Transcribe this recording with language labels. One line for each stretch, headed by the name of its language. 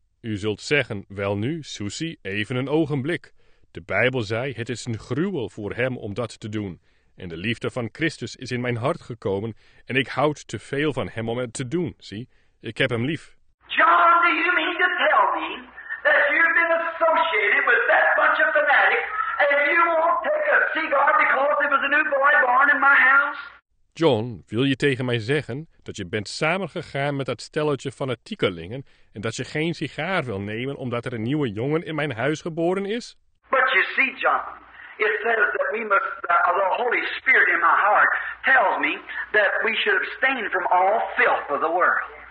Dutch: U zult zeggen, wel nu, Susie, even een ogenblik. De Bijbel zei, het is een gruwel voor hem om dat te doen. En de liefde van Christus is in mijn hart gekomen en ik houd te veel van hem om het te doen, zie. Ik heb hem lief.
English: John, do you mean to tell me that you've been associated with that bunch of fanatics? And you won't take a cigar because it was a new boy born in my house?
Dutch: John, wil je tegen mij zeggen dat je bent samengegaan met dat stelletje fanatiekelingen en dat je geen sigaar wil nemen omdat er een nieuwe jongen in mijn huis geboren is?
English: But you see, John, it says that we must, the Holy Spirit in my heart tells me that we should abstain from all filth of the world.